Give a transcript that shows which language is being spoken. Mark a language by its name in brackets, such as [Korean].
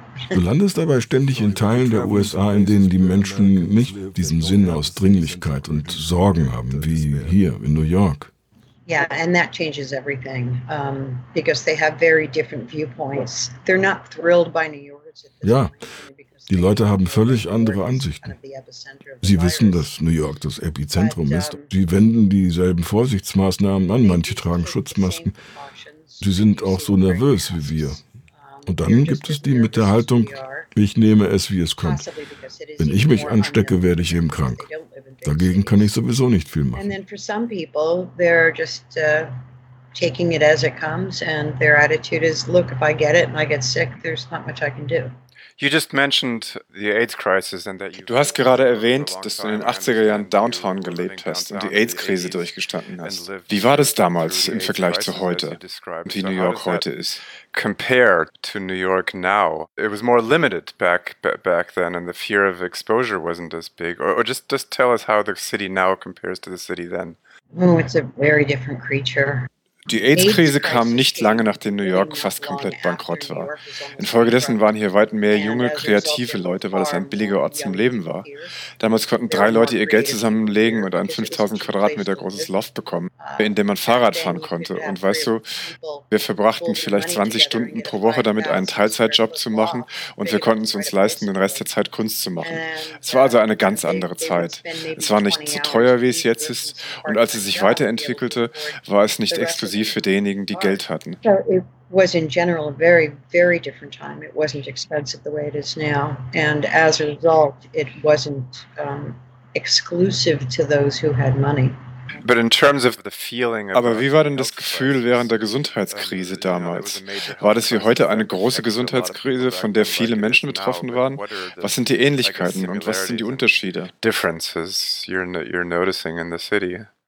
[German] Du landest dabei ständig in Teilen der USA, in denen die Menschen nicht diesen Sinn aus Dringlichkeit und Sorgen haben, wie hier in New York. [English] Ja, and that changes everything, because they have very different viewpoints. They're not thrilled by New Yorkers. [German] Ja, die Leute haben völlig andere Ansichten. Sie wissen, dass New York das Epizentrum ist. Sie wenden dieselben Vorsichtsmaßnahmen an. Manche tragen Schutzmasken. Sie sind auch so nervös wie wir. Und dann gibt es die mit der Haltung, ich nehme es, wie es kommt. Wenn ich mich anstecke, werde ich eben krank. Dagegen kann ich sowieso nicht viel machen. [English] And then for some people, they're just taking it as it comes and their attitude is, look, if I get it and I get sick, there's not much I can do. You just mentioned the AIDS crisis and that you. [German] Du hast gerade erwähnt, dass du in den 80er Jahren downtown gelebt hast und die AIDS-Krise durchgestanden hast. Wie war das damals im Vergleich zu heute und wie New York heute ist? [English] Compared to New York now, it was more limited back then, and the fear of exposure wasn't as big. Or just tell us how the city now compares to the city then. Oh, it's a very different creature. [German] Die AIDS-Krise kam nicht lange, nachdem New York fast komplett bankrott war. Infolgedessen waren hier weit mehr junge, kreative Leute, weil es ein billiger Ort zum Leben war. Damals konnten 3 Leute ihr Geld zusammenlegen und ein 5000 Quadratmeter großes Loft bekommen, in dem man Fahrrad fahren konnte. Und weißt du, wir verbrachten vielleicht 20 Stunden pro Woche damit, einen Teilzeitjob zu machen und wir konnten es uns leisten, den Rest der Zeit Kunst zu machen. Es war also eine ganz andere Zeit. Es war nicht so teuer, wie es jetzt ist. Und als es sich weiterentwickelte, war es nicht exklusiv. Sie für diejenigen, die Geld hatten. [English] So it was in general a very, very different time. It wasn't expensive the way it is now. And as a result, it wasn't exclusive to those who had money. But in terms of the feeling of. [German] Aber wie war denn das Gefühl während der Gesundheitskrise damals? War das wie heute eine große Gesundheitskrise, von der viele Menschen betroffen waren? Was sind die Ähnlichkeiten und was sind die Unterschiede? [English] Differences you're noticing in the city.